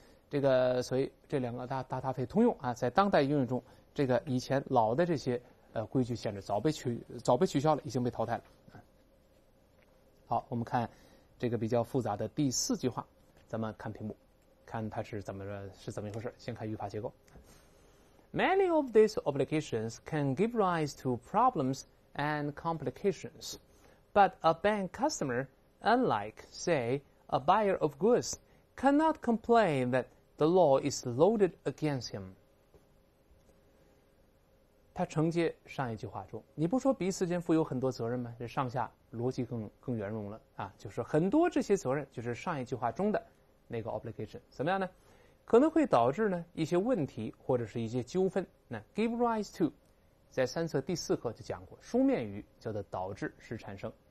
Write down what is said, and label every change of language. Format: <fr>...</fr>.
<zh>这个所以这两个搭配通用啊，在当代英语中这个以前老的这些规矩限制早被取消了，已经被淘汰了。好，我们看这个比较复杂的第四句话，咱们看屏幕，看它是怎么一回事。先看语法结构。</zh> <en>Many of these obligations can give rise to problems and complications, but a bank customer, unlike, say, a buyer of goods, cannot complain that the law is loaded against him.</en> <zh>他承接上一句话中，你不说彼此间负有很多责任吗？这上下逻辑更圆融了啊！就是很多这些责任，就是上一句话中的那个 obligation， 怎么样呢？可能会导致呢一些问题或者是一些纠纷。那 give rise to， 在三册第四课就讲过，书面语叫做导致是产生。</zh>